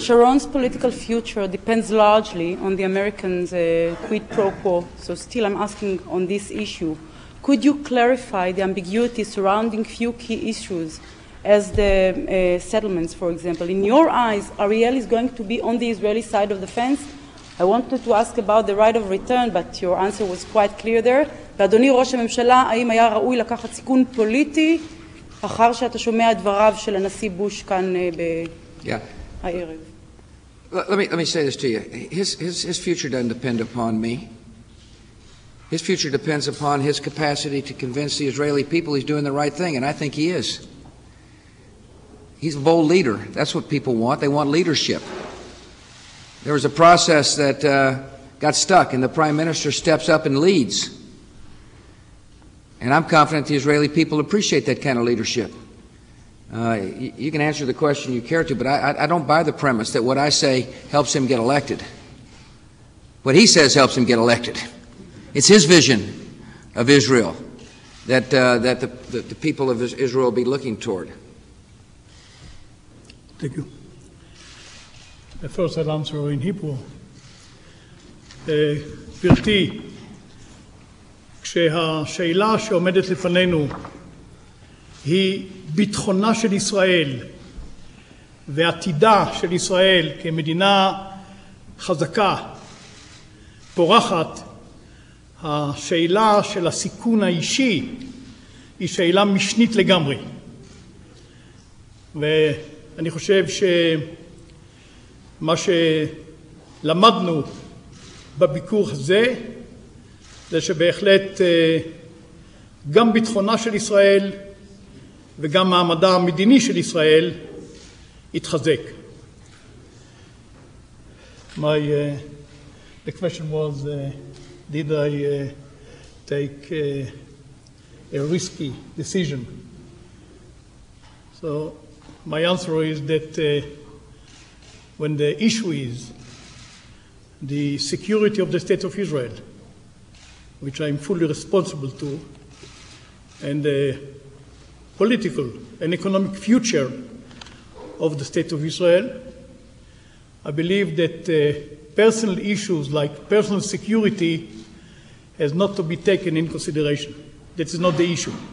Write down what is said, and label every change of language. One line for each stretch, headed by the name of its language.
English: Sharon's political future depends largely on the Americans' quid pro quo, so still I'm asking on this issue. Could you clarify the ambiguity surrounding few key issues as the settlements, for example? In your eyes, Ariel is going to be on the Israeli side of the fence I wanted to ask about the right of return, but your answer was quite clear there.
Hebrew: ואדוני ראש הממשלה, האם היה ראוי לקחת סיכון פוליטי אחר שאתה שומע את דבריו של הנשיא בוש כאן הערב?
English: Let me say this to you. His future doesn't depend upon me. His future depends upon his capacity to convince the Israeli people he's doing the right thing, and I think he is. He's a bold leader. That's what people want. They want leadership. There was a process that got stuck, and the prime minister steps up and leads. And I'm confident the Israeli people appreciate that kind of leadership. You can answer the question you care to, but I don't buy the premise that what I say helps him get elected. What he says helps him get elected. It's his vision of Israel that the people of Israel will be looking toward. Thank you. First, I'll answer in Hebrew.
Hebrew: Gvirti, כשהשאלה שעומדת לפנינו היא ביטחונה של ישראל ועתידה של ישראל כמדינה חזקה, פורחת, השאלה של הסיכון האישי היא שאלה משנית לגמרי. ואני חושב שמה שלמדנו בביקור הזה זה שבהחלט גם ביטחונה של ישראל וגם מעמדה המדיני של ישראל התחזק.
English: The question was, did I take a risky decision? So my answer is that when the issue is the security of the state of Israel, which I am fully responsible to, and the political and economic future of the state of Israel, I believe that personal issues like personal security has not to be taken in consideration. That is not the issue.